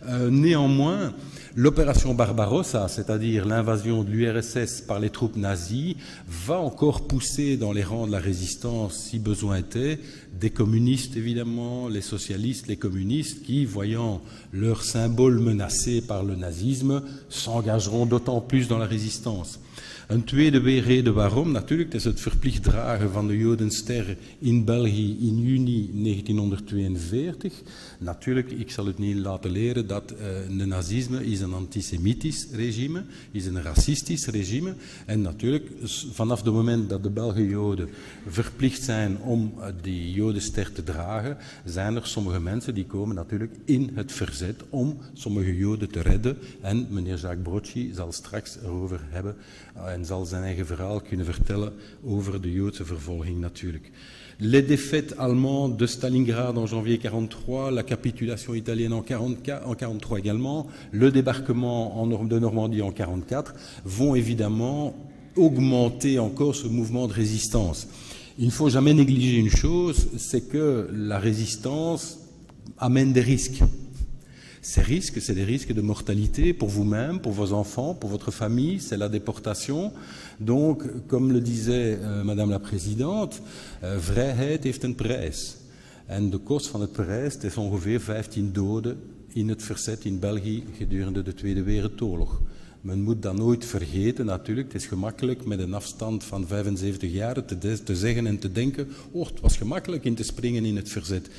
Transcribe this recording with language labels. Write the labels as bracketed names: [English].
[French] Néanmoins, l'opération Barbarossa, c'est-à-dire l'invasion de l'URSS par les troupes nazies, va encore pousser dans les rangs de la résistance, si besoin était, des communistes, évidemment, les socialistes, les communistes, qui, voyant leur symbole menacé par le nazisme, s'engageront d'autant plus dans la résistance. [Dutch] Een tweede reden waarom, natuurlijk, is het verplicht dragen van de Jodenster in België in juni 1942. Natuurlijk, ik zal het niet laten leren dat de nazisme is een antisemitisch regime, is een racistisch regime. En natuurlijk, vanaf het moment dat de Belgen Joden verplicht zijn om die Jodenster te dragen, zijn er sommige mensen die komen natuurlijk in het verzet om sommige Joden te redden. En meneer Jacques Brocci zal straks erover hebben en zal zijn eigen verhaal kunnen vertellen over de Joodse vervolging natuurlijk. [French] Les défaites allemandes de Stalingrad en janvier 43, la capitulation italienne en 43 également, le débarquement de Normandie en 44 vont évidemment augmenter encore ce mouvement de résistance. Il ne faut jamais négliger une chose, c'est que la résistance amène des risques. Ces risques, c'est des risques de mortalité pour vous-même, pour vos enfants, pour votre famille, c'est la déportation. Donc, comme le disait Madame la Présidente, « [Dutch] Vrijheid heeft een prijs. En de kost van het prijs, het is ongeveer 15 doden in het verzet in België gedurende de Tweede Wereldoorlog. » Men moet dat nooit vergeten natuurlijk. Het is gemakkelijk met een afstand van 75 jaar te zeggen en te denken, oh, het was gemakkelijk in te springen in het verzet.